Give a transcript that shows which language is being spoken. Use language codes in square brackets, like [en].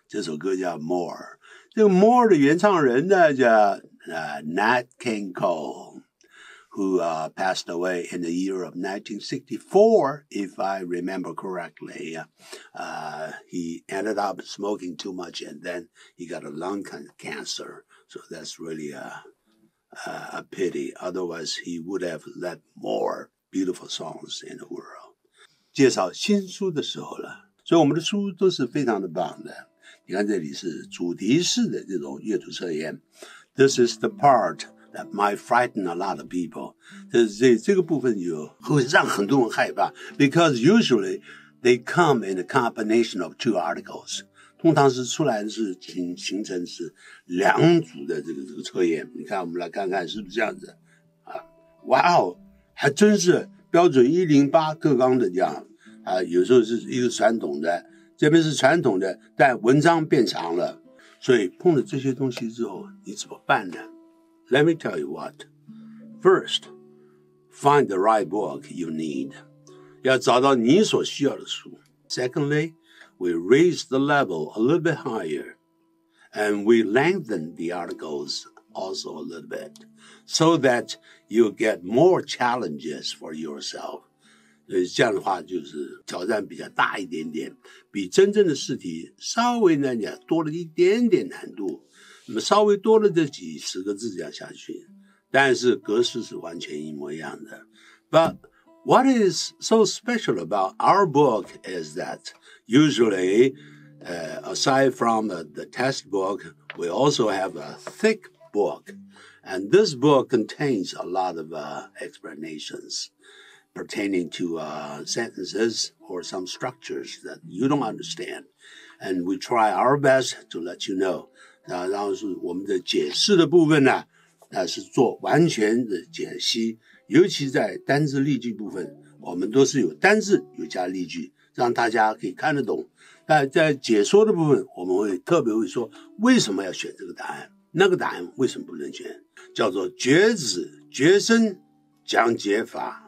[zh] 这首歌叫 More， 这个 More 的原唱人呢叫Nat King Cole， who passed away in the year of 1964, if I remember correctly. [en] He ended up smoking too much and then he got a lung cancer. So that's really a pity. Otherwise, he would have left more beautiful songs in the world. [zh] 介绍新书的时候了，所以我们的书都是非常的棒的。你看这里是主题式的这种阅读测验。 [en] This is the part that might frighten a lot of people. [zh] 这个部分有会让很多人害怕。 [en] Because usually they come in a combination of two articles. [zh] 通常是出来的是形成是两组的这个测验。你看我们来看看是不是这样子。哇哦，还真是标准108各纲的这样。有时候是一个传统的。这边是传统的，但文章变长了，所以碰了这些东西之后，你怎么办呢？ [en] Let me tell you what. First, find the right book you need. [zh] 要找到你所需要的书。 [en] Secondly, we raise the level a little bit higher, and we lengthen the articles also a little bit, so that you get more challenges for yourself. [zh] 这样的话就是挑战比较大一点点，比真正的试题稍微呢也多了一点点难度，那么稍微多了这几十个字这样下去，但是格式是完全一模一样的。 [en] But what is so special about our book is that usually aside from the test book, we also have a thick book, and this book contains a lot of explanationspertaining to sentences or some structures that you don't understand. And we try our best to let you know. [zh] 那然后我们的解释的部分呢，那是做完全的解析，尤其在单字例句部分，我们都是有单字有加例句，让大家可以看得懂。那在解说的部分，我们会特别会说为什么要选这个答案，那个答案为什么不能选，叫做绝子绝孙讲解法。